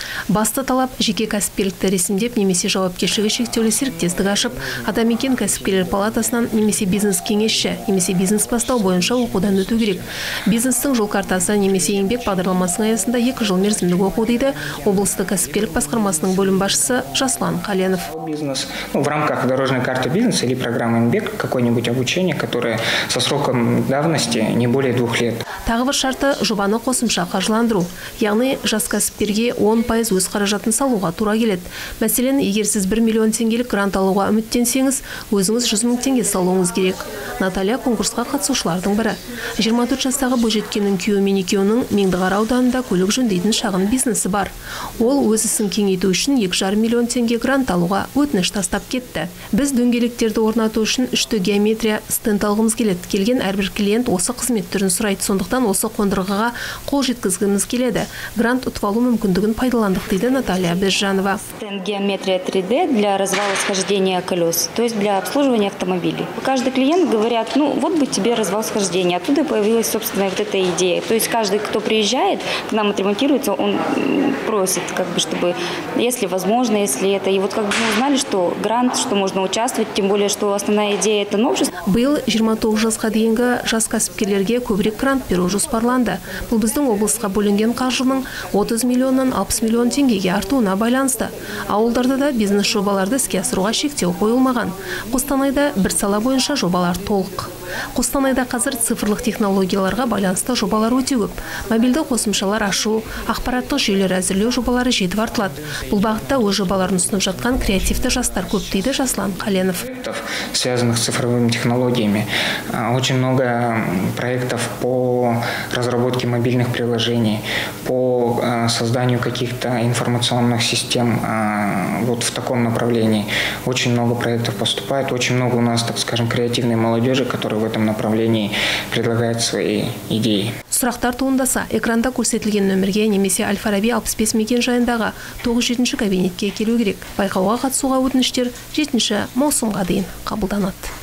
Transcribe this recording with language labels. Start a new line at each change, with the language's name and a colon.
Kazakh: Басты талап – жеке кәсіпкерлікті ресімдеп, немесе жауапкершілігі шектеулі серіктестік ашып, Атамекен кәсіпкерлер палатасынан немесе бизнес кеңесші, немесе бизнес бастау бойынша оқудан өту керек. Бизнестің жол картасы немесе еңбек бағдарламасының аясында 2 жыл мерзімдік оқу, дейді облыстық кәсіпкерлік басқармасының бөлім басшысы Жаслан Қаленов.
Russian: Бизнес, в рамках дорожной карты бизнеса или программы МБЕК какое-нибудь обучение, которое со сроком давности не более 2 лет.
Kazakh: Тағы бір шарты жобаны қосымша қаржыландыру. Яғни жас кәсіпкерге 10% өз қаражатын салуға тура келеді. Мәселен, егер сіз 1 миллион теңгелік грант алуға үміттенсеңіз, өзіңіз 100 мың теңге салуыңыз керек. Наталья конкурсқа қатысушылардың бірі. 24 жастағы бойжеткеннің күйеуі мен екеуінің Меңдіқара ауданында көлік жөндейтін шағын бизнесі бар. Ол өз ісін кеңейту үшін 2,5 миллион теңге грант алуға өтініш тастап кетті. Біз дөңгелектерді орнату үшін үшті геометрия стенд алғымыз келеді. Келген әрбір клиент осы қызмет түрін сұрайды, сондықтан осы қондырғыға қол жеткізгіміз келеді. Грант ұтып алу мүмкіндігін пайдаландық, дейді Наталья Безжанова.
Russian: Стенд геометрия 3D для развал-схождения колес, то есть для обслуживания автомобилей. Каждый клиент говорят, ну вот бы тебе развал-схождение. Оттуда появилась, собственно, вот эта идея. То есть каждый, кто приезжает, к нам отремонтируется, он просит, как бы, чтобы, если возможно, если это. И вот как бы мы узнали, что грант, что можно участвовать, тем более, что основная идея – это новшество.
Kazakh: Был 29 жасқа дейінгі жас кәсіпкерлерге көбірек грант беру жоспарланды. Бұл біздің облысқа бөлінген қаржының 30 миллионнан 60 миллион теңгеге артуына байланысты. Ауылдарда да бизнес жобаларды іске асыруға шектеу қойылмаған. Қостанайда бір сала бойынша жобалар толық. Қостанайда қазір цифрлық технологияларға байланысты жобалар өте көп. Мобильді қосымшалар ашу, ақпараттық жүйелер әзірлеу жобалары жетіп артылады. Бұл бағытта өз жобаларын ұсынып жатқан креативті жастар көп, дейді Жаслан Қаленов.
Russian: Связанных с цифровыми технологиями. Очень много проектов по разработке мобильных приложений, по созданию каких-то информационных систем вот в таком направлении. Очень много проектов поступает, очень много у нас, так скажем, креативной молодежи, которая в этом направлении предлагает свои идеи.
Kazakh: Сұрақтар туындаса, экранда көрсетілген нөмірге немесе Әл-Фараби 65 мекен жайындағы 97-ші кабинетке келу керек. Байқауға қатысуға өтініштер 7-ші маусымға дейін қабылданады.